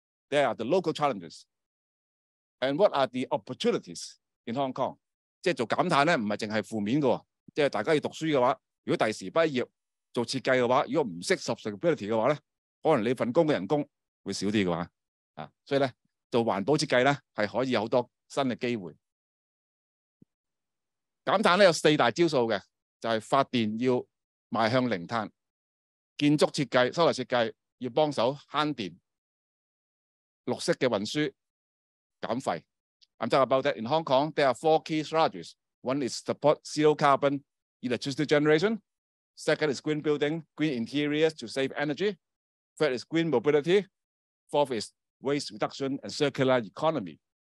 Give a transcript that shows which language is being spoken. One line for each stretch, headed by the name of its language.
English: There are the local challenges. And what are the opportunities in Hong Kong?
Cantonese: 即是做減碳呢,不只是負面的,即是大家要讀書的話,如果第時畢業, 做設計的話,如果不懂sustainability的話,可能你的工作人工會少一點的話,所以做環保設計是可以有很多新的機會。減碳有四大招數的,就是發電要邁向零碳,建築設計,收納設計要幫忙省電,綠色的運輸,減費.
English: I'm talking about that in Hong Kong, there are four key strategies. One is support zero carbon electricity generation. Second is green building, green interiors to save energy. Third is green mobility. Fourth is waste reduction and circular economy.